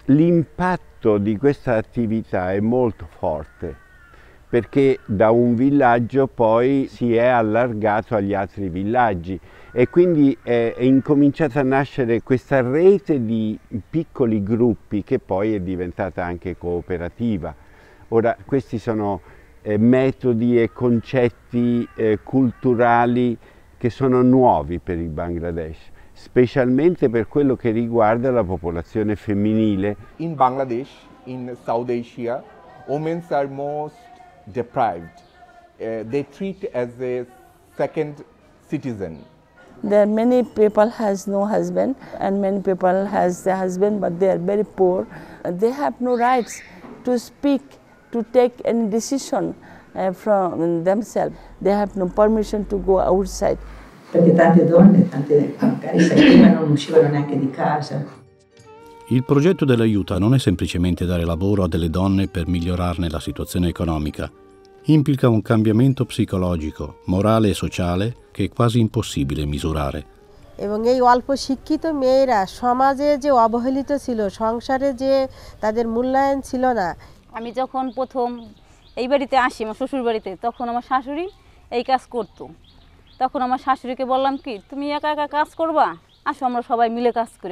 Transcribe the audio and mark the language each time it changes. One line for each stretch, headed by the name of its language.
Italian: L'impatto di questa attività è molto forte, perché da un villaggio poi si è allargato agli altri villaggi e quindi è incominciata a nascere questa rete di piccoli gruppi che poi è diventata anche cooperativa. Ora, questi sono metodi e concetti culturali che sono nuovi per il Bangladesh, specialmente per quello che riguarda la popolazione femminile.
English: In Bangladesh, in South Asia, women are most deprived. They treat as a second citizen. There are many people has no husband and many people has a husband but they are very poor. They have no rights to speak, to take any decision from themselves. They have no permission to go outside.
Italian: Perché tante donne, tante magari prima non uscivano neanche di casa. Il progetto dell'aiuta non è semplicemente dare lavoro a delle donne per migliorarne la situazione economica. Implica un cambiamento psicologico, morale e sociale che è quasi impossibile misurare.
Bangla: এবং এই অল্প শিক্ষিত মেয়েরা সমাজে যে অবহেলিত ছিল, সংসারে যে তাদের মূল্যায়ন ছিল না। আমি যখন প্রথম এই বাড়িতে আসি আমার শ্বশুর বাড়িতে তখন আমার শাশুড়ি এই কাজ করত। তখন আমার শাশুড়িকে বললাম কি তুমি একা একা কাজ করবা? আসো আমরা সবাই মিলে কাজ করি।